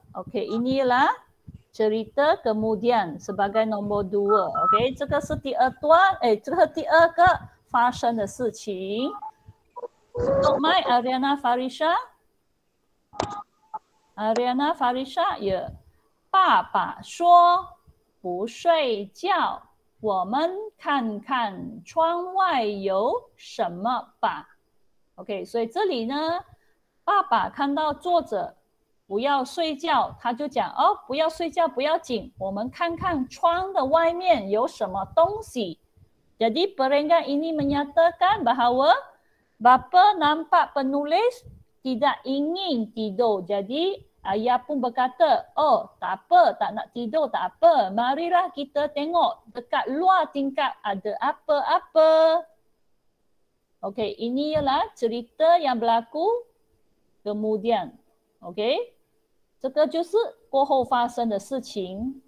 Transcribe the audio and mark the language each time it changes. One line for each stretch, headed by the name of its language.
Malay: OK, inilah cerita kemudian sebagai nombor dua.
Chinese: OK, 这个是第二段. 这个第二个 发生的事情.
English: Don't mind Ariana Farisha? Ariana Farisha? Yeah.
Chinese: 爸爸说不睡觉, 我们看看窗外有什么吧. OK, 所以这里呢, 爸爸看到作者不要睡觉, 他就讲, 哦, 不要睡觉, 不要紧, 我们看看窗的外面有什么东西.
Malay: Jadi peringkat ini menyatakan bahawa bapa nampak penulis tidak ingin tidur. Jadi ayah pun berkata, oh tak apa, tak nak tidur tak apa. Marilah kita tengok dekat luar tingkap ada apa-apa. Okey, ini ialah cerita yang berlaku kemudian.
Chinese: Okey, 这个就是过后发生的事情.